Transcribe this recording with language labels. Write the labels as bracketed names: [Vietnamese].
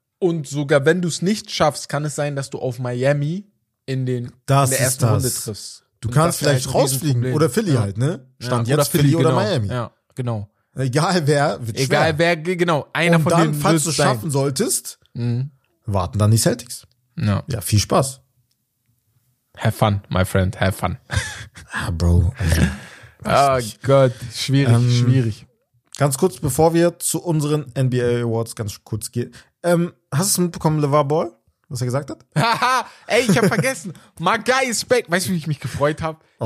[German] Und sogar wenn du es nicht schaffst, kann es sein, dass du auf Miami in der ersten Runde triffst. Du kannst vielleicht rausfliegen oder Philly halt, ne? Philly oder Miami. Ja, genau. Egal wer, einer von denen. Und dann, falls du es schaffen solltest, warten dann die Celtics. Ja. Ja, viel Spaß. [English] Have fun, my friend, have fun. [German] Ah, Bro. Gott, schwierig. Ganz kurz, bevor wir zu unseren NBA Awards ganz kurz gehen. Hast du es mitbekommen, LeVar Ball, was er gesagt hat? Haha, ey, ich hab vergessen. [English] My guy is back. [German] Weißt du, wie ich mich gefreut habe?